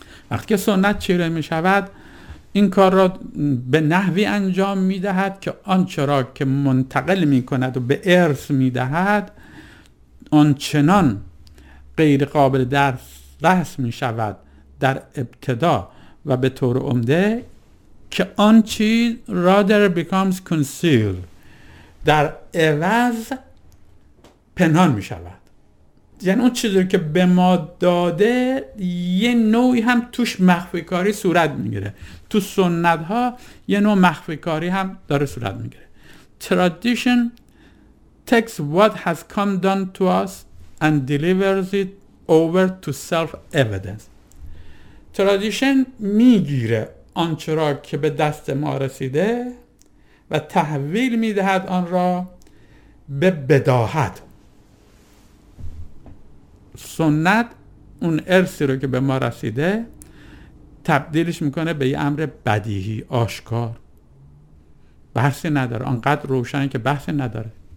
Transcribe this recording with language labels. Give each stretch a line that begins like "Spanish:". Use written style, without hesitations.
Persian: وقتی که سنت چیره می شود، این کار را به نحوی انجام می دهد که آنچرا که منتقل می کند و به ارث می دهد آنچنان غیر قابل دسترس می شود در ابتدا و به طور عمده که آن چیز
English: rather becomes concealed،
Persian: در عوض پنهان می شود. یعنی اون چیزی که به ما داده یه نوعی هم توش مخفی کاری صورت می گیره. تو سنت ها یه نوع مخفی کاری هم داره صورت می گیره.
English: Tradition takes what has come down to us and delivers it over to self-evidence.
Persian: Tradition می گیره آنچرا که به دست ما رسیده و تحویل میدهد آن را به بداهت. سنت اون ارثی رو که به ما رسیده تبدیلش میکنه به یه امر بدیهی آشکار، بحثی نداره، آنقدر روشنه که بحثی نداره.